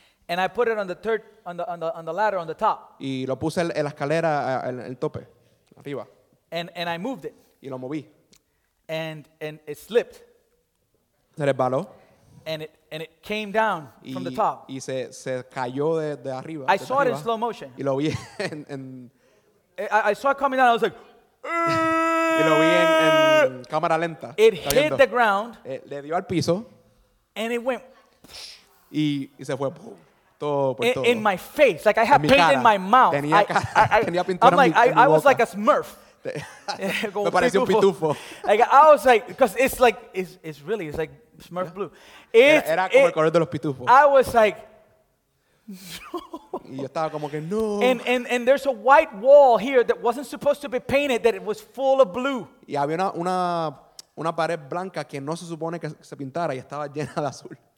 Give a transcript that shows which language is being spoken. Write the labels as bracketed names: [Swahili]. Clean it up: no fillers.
[English] And I put it on the third on the ladder on the top. [Spanish] Y lo puse en la escalera el tope arriba. [English] And I moved it. [Spanish] Y lo moví. [English] And it slipped. [Spanish] Se resbaló. [English] And it came down from the top. [Spanish] Y se cayó de arriba. [English] I saw it in slow motion. [Spanish] Y lo vi en [English] I saw it coming down. I was like. [Spanish] Y lo vi en cámara lenta. [English] It hit the ground. [Spanish] Le dio al piso. [English] And it went. [Spanish] Y se fue. [English] In my face, like I had paint [Spanish] cara. [English] In my mouth. [Spanish] Tenía [English] I'm like I was like a Smurf. [Spanish] Me pareció un pitufo. [English] Like I was like, because it's like it's really it's like Smurf blue. [Spanish] Era como el color de los pitufos. [English] I was like, [Spanish] y yo estaba como que no. [English] And there's a white wall here that wasn't supposed to be painted that it was full of blue. [Spanish] Y había una pared blanca que no se supone que se pintara y estaba llena de azul.